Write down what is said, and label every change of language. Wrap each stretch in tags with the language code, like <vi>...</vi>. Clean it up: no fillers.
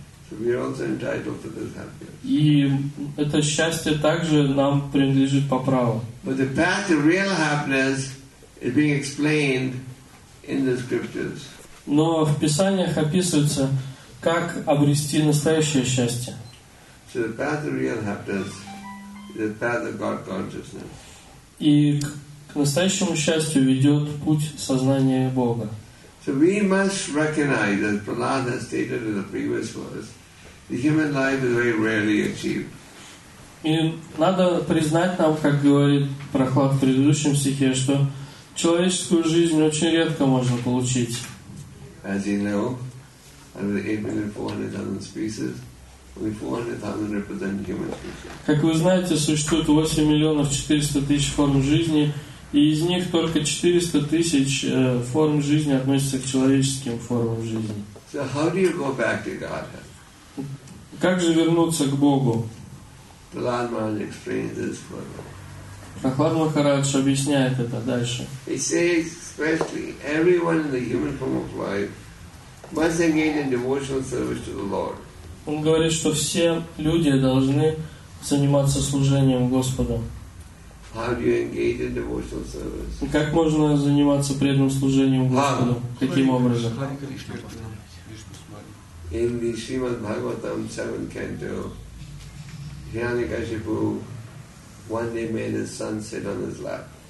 <en>So we are also entitled to this happiness.</en> <ru>И это счастье также нам принадлежит по праву.</ru> <en>But the path to real happiness is being explained in the scriptures.</en> <ru>Но в Писаниях описывается, как обрести настоящее счастье.</ru> <en>So the path to real happiness is the path of God consciousness.</en> <ru>И к настоящему счастью ведет путь сознания Бога.</ru> <en>So we must recognize, as Prahlad has stated in the previous verse, the human life is very rarely achieved.</en> <ru>И надо признать нам, как говорит Прохлад в предыдущем стихе, что человеческую жизнь очень редко можно получить.</ru> <en>As you know, out of 8,400,000 species, only 400,000 represent human species.</en> <ru>Как вы знаете, существует 8,400,000 форм жизни. И из них только 400,000 форм жизни относятся к человеческим формам жизни.</ru> <en>So how do you go back to Godhead?</en> <ru>Как же вернуться к Богу?</ru> <en>Prahlad Maharaj explains this further.</en> <ru>Прохлад Махарадж объясняет это дальше.</ru> <en>He says, especially everyone in the human form of life must engage in devotional service to the Lord.</en> <ru>Он говорит, что все люди должны заниматься служением Господу.</ru> <en>How do you engage in devotional service?</en> <ru>Как можно заниматься преданным служением Господу? Каким образом?</ru> <en>In the Srimad Bhagavatam 7th canto, Hiranyakashipu one day made his son sit on his lap.</en>